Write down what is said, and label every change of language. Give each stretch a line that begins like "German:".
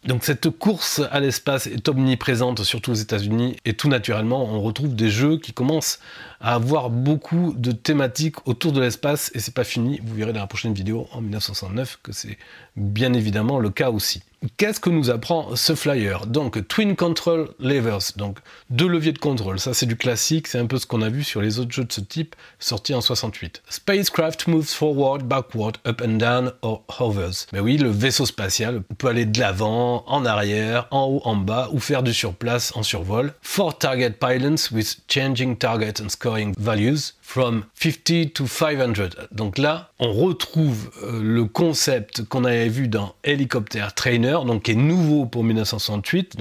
French: Donc cette course à l'espace est omniprésente, surtout aux États-Unis, et tout naturellement, on retrouve des jeux qui commencent à avoir beaucoup de thématiques autour de l'espace, et c'est pas fini, vous verrez dans la prochaine vidéo, en 1969, que c'est bien évidemment le cas aussi. Qu'est-ce que nous apprend ce flyer? Donc, Twin Control Levers, donc deux leviers de contrôle. Ça, c'est du classique, c'est un peu ce qu'on a vu sur les autres jeux de ce type sortis en 68.
English: Spacecraft moves forward, backward, up and down, or hovers.
French: Ben oui, le vaisseau spatial peut aller de l'avant, en arrière, en haut, en bas, ou faire du surplace en survol.
English: Four target pylons with changing target and scoring values from 50 to 500.
French: Donc là, on retrouve le concept qu'on avait vu dans Helicopter Trainer, donc qui est nouveau pour 1968.